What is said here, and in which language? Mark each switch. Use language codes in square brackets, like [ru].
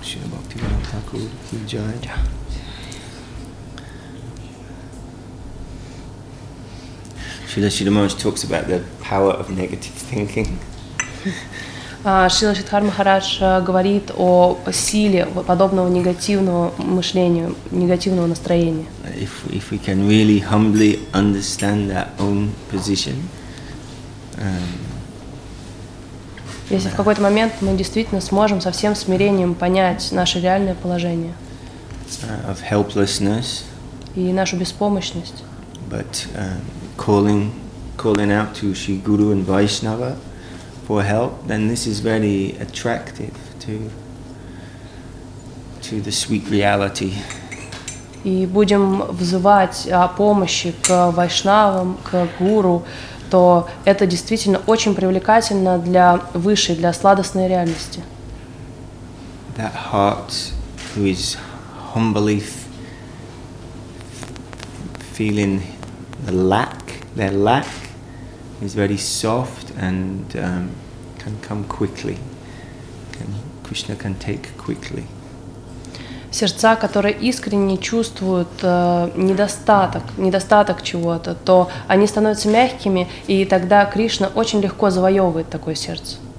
[en] Все бактерии так руки дядя. Srila Siddharma talks about the power of negative thinking. [ru] Srila Siddharma Maharaj говорит о силе подобного негативного мышления, негативного настроения. [en] If we can really humbly understand our own position, [ru] если в какой-то момент мы действительно сможем со всем смирением понять наше реальное положение, [en] of helplessness, [ru] и нашу беспомощность, [en] but calling out to Sri Guru and Vaishnava for help, then this is very attractive to the sweet reality. [ru] И будем взывать о помощи к Вайшнавам, к Гуру, то это действительно очень привлекательно для высшей, для сладостной реальности. [en] That heart who is humbly feeling their lack is very soft and can come quickly. Krishna can take quickly. [ru] Сердца, которые искренне чувствуют недостаток чего-то, то они становятся мягкими, и тогда Кришна очень легко завоевывает такое сердце.